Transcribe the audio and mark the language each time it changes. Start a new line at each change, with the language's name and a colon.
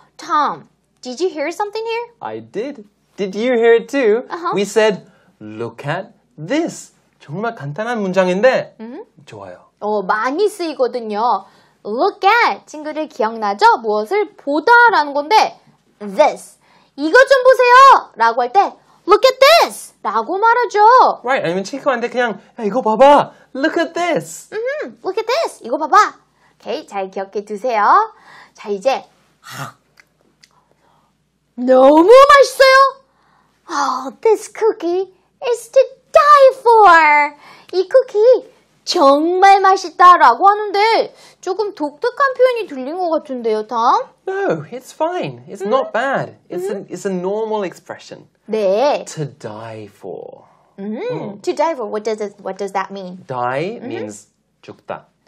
English: Tom, did you hear something here? I did. Did you hear it too? Uh-huh. We said, look at this!
Korean: 정말 간단한 문장인데, mm-hmm. 좋아요. 많이 쓰이거든요. Look at, 친구들 기억나죠? 무엇을 보다라는 건데, this, 이거 좀 보세요! 라고 할 때,
English: Look at this!
Korean: 라고 말하죠. Right, 아니면 체크하는데 그냥 야, 이거 봐봐.
English: Look at this. Mm-hmm. Look at this.
Korean: 이거 봐봐. 오케이, 잘 기억해 두세요. 자, 이제 너무 맛있어요.
English: Oh, this cookie is to die for.
Korean: 이 쿠키 정말 맛있다라고 하는데 조금 독특한 표현이 들린 것 같은데요, Tom?
English: No, it's fine. It's not bad. It's a normal expression.
Korean: 네.
English: To die for. To die for. What does that mean? Die means 죽다.